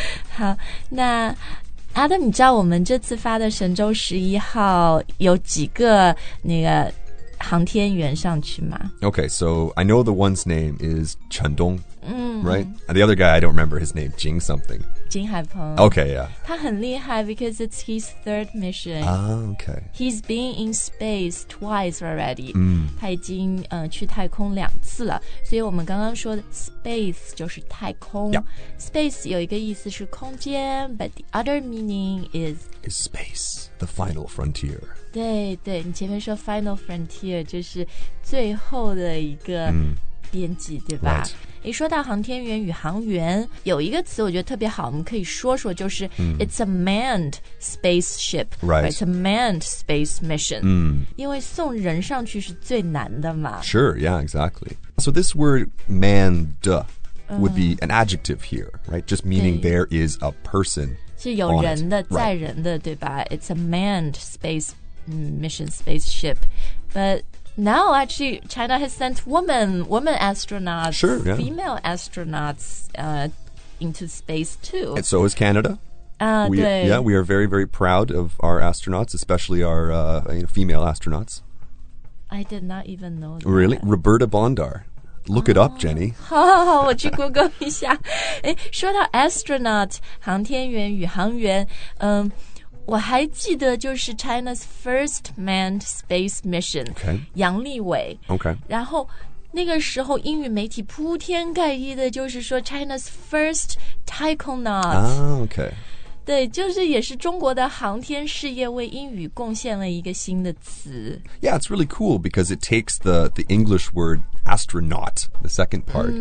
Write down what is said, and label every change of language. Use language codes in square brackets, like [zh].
[zh] 好那 Adam 你知道我们这次发的神舟11号有几个那个航天员上去吗 [en] Okay, so I know the one's name is 陈东 Mm-hmm. Right? And the other guy, I don't remember his name, Jing something. Jing Haipeng. Okay, yeah. [zh] 他很厉害 [en] because it's his third mission. Ah, okay. He's been in space twice already. Mm. [zh] 他已经去太空两次了。所以我们刚刚说的 space 就是太空。 [en] Yeah. Space [zh] 有一个意思是空间 [en] but the other meaning is... Is space, the final frontier. [zh] 对对，你前面说 final frontier 就是最后的一个边际、嗯、对吧、 [en] right. [zh] 一说到航天员宇航员有一个词我觉得特别好我们可以说说就是、嗯、 [en] It's a manned spaceship right. right, It's a manned space mission、嗯、 [zh] 因为送人上去是最难的嘛 [en] Sure, yeah, exactly So this word manned would be an adjective here right? Just meaning there is a person [zh] 是有人的载人的、 [en] right. [zh] 对吧 [en] It's a manned spaceMission spaceship. But now actually China has sent women astronauts, sure,、yeah. female astronauts、into space too. And so is Canada. We are very, very proud of our astronauts, especially our female astronauts. I did not even know that. Really? Roberta Bondar. Look it up, Jenny. [zh] 好好好，我去 Google 一下。说到 astronaut, 航天员宇航员，我还记得就是 [en] China's first manned space mission、 okay. [zh] 杨利伟、 [en] okay. [zh] 然后那个时候英语媒体铺天盖地的就是说 [en] China's first taikonaut、 okay. [zh] 对就是也是中国的航天事业为英语贡献了一个新的词 [en] Yeah, it's really cool because it takes the English word astronaut the second part、